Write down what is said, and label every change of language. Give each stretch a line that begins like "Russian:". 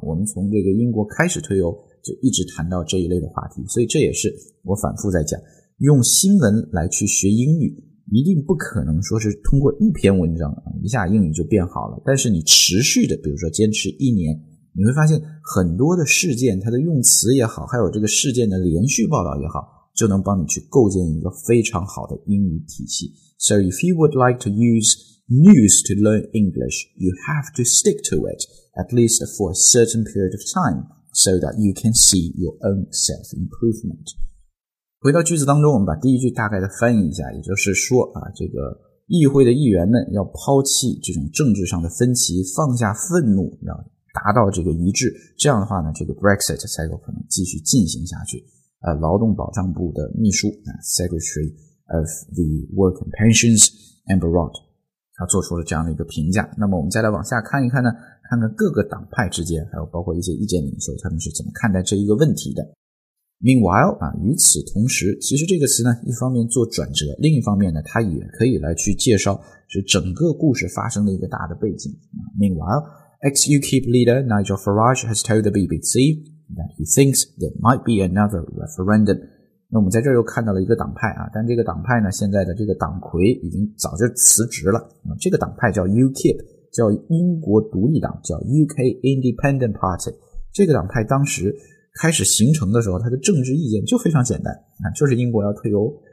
Chinese: 我们从这个英国开始退欧就一直谈到这一类的话题，所以这也是我反复在讲，用新闻来去学英语一定不可能说是通过一篇文章一下英语就变好了，但是你持续的比如说坚持一年，你会发现很多的事件它的用词也好，还有这个事件的连续报道也好，就能帮你去构建一个非常好的英语体系。
English: So if you would like to use news to learn English, you have to stick to it, at least for a certain period of time, so that you can see your own self-improvement.
Chinese: 回到句子当中，我们把第一句大概的翻译一下，也就是说啊，这个议会的议员们要抛弃这种政治上的分歧，放下愤怒，要达到这个一致，这样的话呢，这个 Brexit 才有可能继续进行下去。劳动保障部的秘书
English: Secretary of the Work and Pensions
Chinese: Amber Rudd 他做出了这样的一个评价。那么我们再来往下看一看呢，看看各个党派之间还有包括一些意见领袖他们是怎么看待这一个问题的。 Meanwhile, 与此同时，其实这个词呢，一方面做转折，另一方面呢，它也可以来去介绍是整个故事发生的一个大的背景。
English: Meanwhile, ex-UKIP leader Nigel Farage has told the BBC that he thinks there might be another referendum.
Chinese: 那我们在这儿又看到了一个党派啊，但这个党派呢，现在的这个党魁已经早就辞职了。这个党派叫 UKIP, 叫英国独立党，叫 UK Independent Party。这个党派当时开始形成的时候，它的政治意见就非常简单，就是英国要退欧。